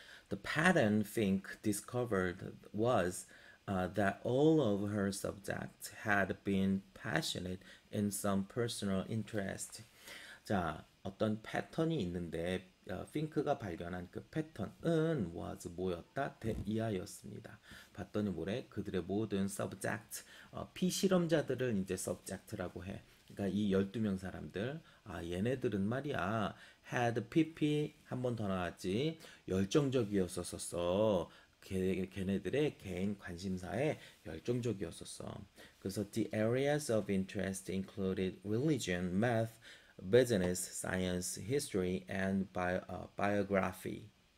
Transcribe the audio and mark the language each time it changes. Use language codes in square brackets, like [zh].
[en] The pattern Fink discovered was that all of her subjects had been passionate in some personal interest. [ko] 자, 어떤 패턴이 있는데 핑크가 발견한 그 패턴은 was 뭐였다? 대이하였습니다. 봤더니 뭐래? 그들의 모든 subjects, 피실험자들을 이제 subject라고 해. 그러니까 이 12명 사람들, 아 얘네들은 말이야 had pp 한 번 더 나왔지 열정적이었었었어. 걔네들의 개인 관심사에 열정적이었었어. 그래서 [en] the areas of interest included religion, math, business, science, history, and biography.